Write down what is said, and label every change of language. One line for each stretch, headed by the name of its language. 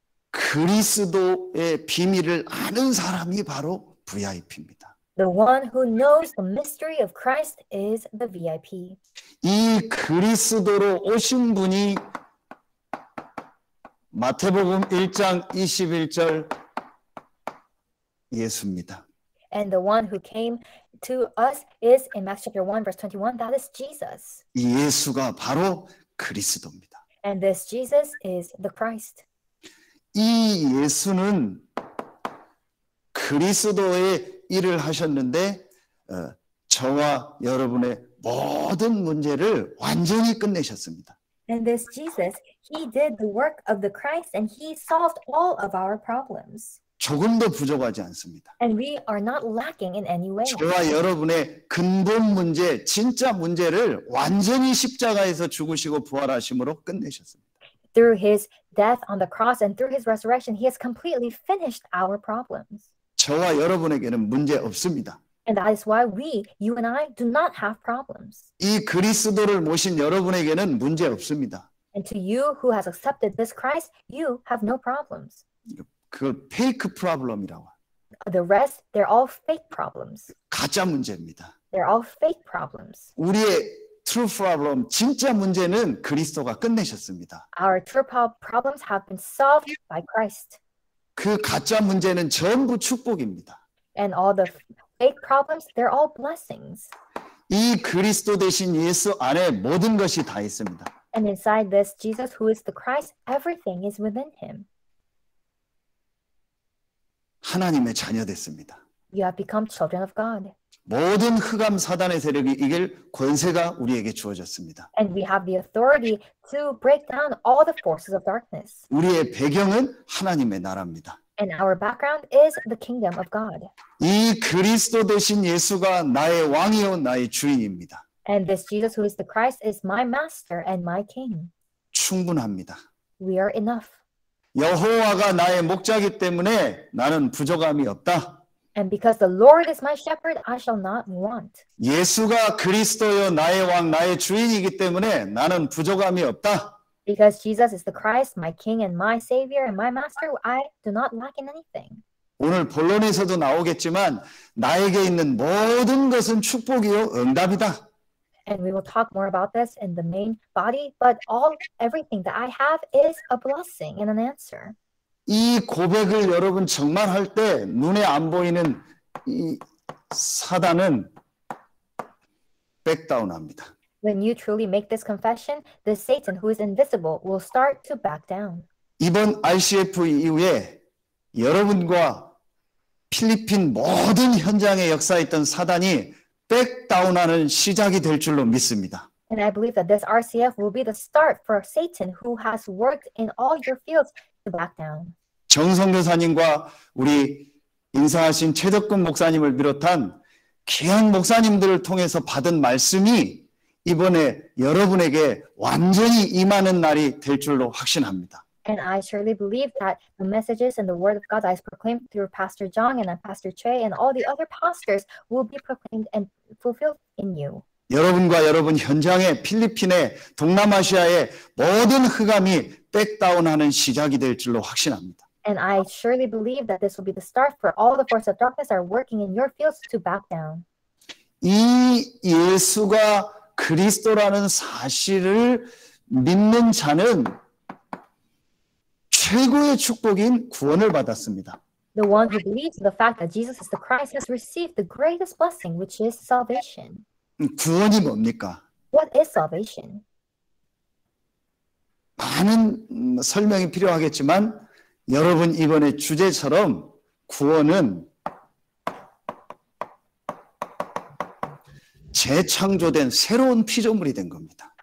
Korean: 그리스도의 비밀을 아는 사람이 바로 VIP입니다.
English: The one who knows the mystery of Christ is the VIP.
Korean: 이 그리스도로 오신 분이 마태복음 1장 21절 예수입니다.
English: And the one who came to us is in Matthew chapter 1 verse 21 that is Jesus.
Korean: 예수가 바로 그리스도입니다.
English: And this Jesus is the Christ.
Korean: 이 예수는 그리스도의 일을 하셨는데 저와 여러분의 모든 문제를 완전히 끝내셨습니다.
English: And this Jesus, he did the work of the Christ and he solved all of our problems.
Korean: 조금도 부족하지 않습니다.
English: And we are not lacking in any way.
Korean: 저와 여러분의 근본 문제, 진짜 문제를 완전히 십자가에서 죽으시고 부활하심으로 끝내셨습니다.
English: Through his death on the cross and through his resurrection, he has completely finished our problems.
Korean: 저와 여러분에게는 문제 없습니다.
English: And that is why we, you and I, do not have problems.
Korean: 이 그리스도를 모신 여러분에게는 문제 없습니다.
English: And to you who has accepted this Christ, you have no problems.
Korean: 그걸
English: fake problem
Korean: 이라고.
English: The rest, they're all fake problems.
Korean: 가짜 문제입니다.
English: They're all fake problems.
Korean: 우리의
English: true problem,
Korean: 진짜 문제는 그리스도가 끝내셨습니다.
English: Our true problems have been solved by Christ.
Korean: 그 가짜 문제는 전부 축복입니다.
English: And all the fake problems, they're all blessings.
Korean: 이 그리스도 대신 예수 안에 모든 것이 다 있습니다.
English: And inside this Jesus who is the Christ, everything is within him.
Korean: 하나님의 자녀 됐습니다.
English: You have become children of God.
Korean: 모든 흑암 사단의 세력이 이길 권세가 우리에게 주어졌습니다.
English: And we have the authority to break down all the forces of darkness.
Korean: 우리의 배경은 하나님의 나라입니다.
English: And our background is the kingdom of God.
Korean: 이 그리스도 되신 예수가 나의 왕이요 나의 주인입니다.
English: And this Jesus who is the Christ is my master and my king.
Korean: 충분합니다.
English: We are enough.
Korean: 여호와가 나의 목자이기 때문에 나는 부족함이 없다.
English: And because the Lord is my shepherd, I shall not want.
Korean: 예수가 그리스도요 나의 왕 나의 주인이기 때문에 나는 부족함이 없다.
English: Because Jesus is the Christ, my King and my Savior and my Master, I do not lack in anything.
Korean: 오늘 본론에서도 나오겠지만 나에게 있는 모든 것은 축복이요 응답이다.
English: And we will talk more about this in the main body, but everything that I have is a blessing and an answer.
Korean: 이 고백을 여러분 정말 할 때 눈에 안 보이는 이 사단은 백다운합니다.
English: When you truly make this confession, the Satan who is invisible will start to back down.
Korean: 이번 RCF 이후에 여러분과 필리핀 모든 현장에 역사했던 사단이 백다운하는 시작이 될 줄로 믿습니다.
English: And I believe that this RCF will be the start for Satan who has worked in all your fields to back down.
Korean: 정성 교사님과 우리 인사하신 최덕근 목사님을 비롯한 귀한 목사님들을 통해서 받은 말씀이 이번에 여러분에게 완전히 임하는 날이 될 줄로 확신합니다.
English: And I surely believe that the messages and the word of God that is proclaimed through Pastor Jong and Pastor Choi and all the other pastors will be proclaimed and fulfilled in you.
Korean: 여러분과 여러분 현장에 필리핀에 동남아시아의 모든 흑암이 백다운하는 시작이 될 줄로 확신합니다.
English: And I surely believe that this will be the start for all the forces of darkness that are working in your fields to back down.
Korean: 이 예수가 그리스도라는 사실을 믿는 자는 최고의 축복인 구원을 받았습니다.
English: The one who believes the fact that Jesus is the Christ has received the greatest blessing, which is salvation.
Korean: 구원이 뭡니까?
English: What is salvation?
Korean: 많은 설명이 필요하겠지만 여러분 이번에 주제처럼 구원은 재창조된 새로운 피조물이 된 겁니다.